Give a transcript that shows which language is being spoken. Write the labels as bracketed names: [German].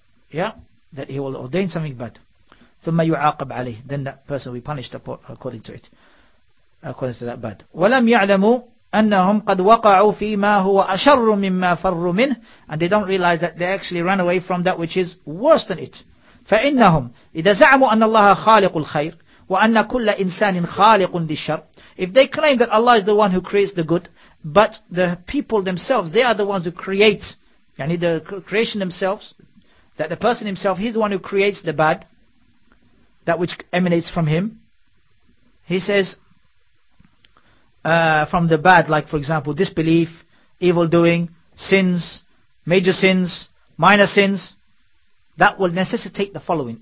[English] Yeah, that He will ordain something bad. [Arabic] ثم يعاقب عليه. [English] Then that person will be punished according to it, according to that bad. [Arabic] ولم يعلموا أنهم قد وقعوا فيما هو أشر مما فروا منه. [English] And they don't realize that they actually ran away from that which is worse than it. [Arabic] فإنهم إذا زعموا أن الله خالق الخير وأن كل إنسان خالق للشر. [English] If they claim that Allah is the one who creates the good, but the people themselves, they are the ones who create, يعني the creation themselves, that the person himself, he's the one who creates the bad, that which emanates from him. He says, from the bad, like for example disbelief, evil doing, sins, major sins, minor sins, that will necessitate the following.